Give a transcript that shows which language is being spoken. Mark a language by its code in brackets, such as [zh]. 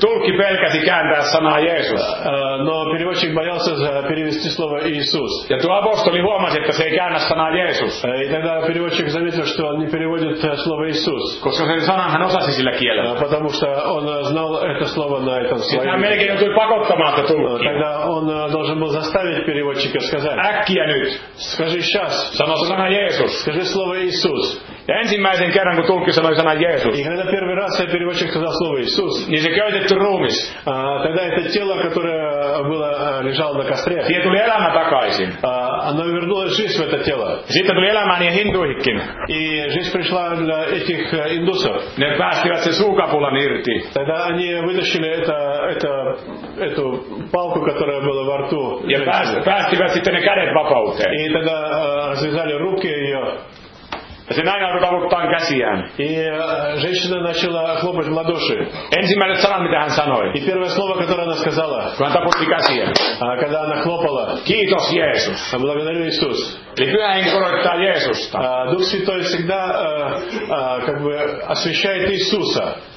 [fi] Tulkki pelkäsi kääntää sanaa Jeesus. [ru] Но переводчик боялся перевести слово Иисус. [fi] Ja tuo apostoli huomasi, että se ei käännä sanaa Jeesus. [ru] И тогда переводчик заметил, что он не переводит слово Иисус. [fi] Koska sen sanan hän osasi sillä kielellä. [ru] Потому что он знал это слово на этом слове. [fi] Ja hän melkein joutui pakottamaan tätä tulkkiä. [ru] Тогда он должен был заставить переводчика сказать. [fi] Äkkiä nyt. [ru] Скажи сейчас. [fi] Sano sana Jeesus. [ru] Скажи слово Иисус. [fi] Ja ensimmäisen kerran, kun tulkki sanoi sana Jeesus. [ru] И когда первый раз переводчик сказал слово Иисус. [fi] Niin se käytetty ruumis. [ru] Тогда это тело, которое было лежало на костре. [fi] Siihen tuli elämä takaisin. [ru] Оно вернулось жизнь в это тело. [fi] Sitten tuli elämään ja hinduihinkin. [ru] И жизнь пришла для этих индусов. [fi] Ne päästivät sen suukapulan irti. [ru] Тогда они вытащили эту палку, которая была во рту. [fi] Ja päästivät sitten ne kädet vapauteen. [ru] И тогда развязали руки ее. [fi] Ja se nainen alkoi taputtaa käsiään. [ru] И женщина начала хлопать в ладоши. [fi] Ensimmäinen sana, mitä hän sanoi. [ru] И первое слово, которое она сказала. [fi] Kun hän taputti käsiään. [ru] Когда она хлопала. [fi] Kiitos Jeesus. [ru] Благодарю Иисус. [fi] Eli Pyhä Henki korottaa Jeesusta. [ru] Дух Святой всегда как бы освящает Иисуса.